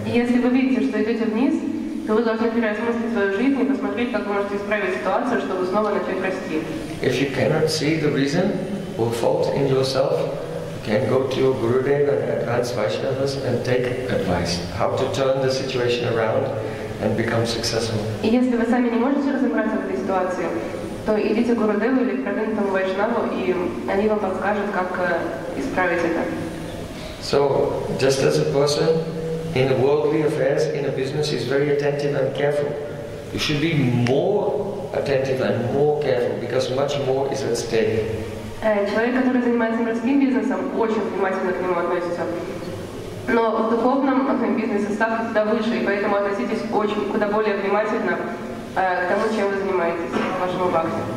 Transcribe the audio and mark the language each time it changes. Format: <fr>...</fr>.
<ru>Если вы видите, что идете вниз, то вы должны переосмыслить свою жизнь и посмотреть, как вы можете исправить ситуацию, чтобы снова начать расти.</ru> <en>If you cannot see the reason or fault in yourself, can go to your Gurudev and advanced Vaishnavas and take advice how to turn the situation around and become successful.</en> <ru>Если вы сами не можете разобраться в этой ситуации, то идите к Гурудеву или к правильному Вайшнаву, и они вам подскажут, как исправить это.</ru> <en>So, just as a person in worldly affairs, in a business, is very attentive and careful, you should be more attentive and more careful, because much more is at stake.</en> <ru>Человек, который занимается мирским бизнесом, очень внимательно к нему относится. Но в духовном бизнесе ставки куда выше, и поэтому относитесь очень, куда более внимательно к тому, чем вы занимаетесь, к вашему бхакти.</ru>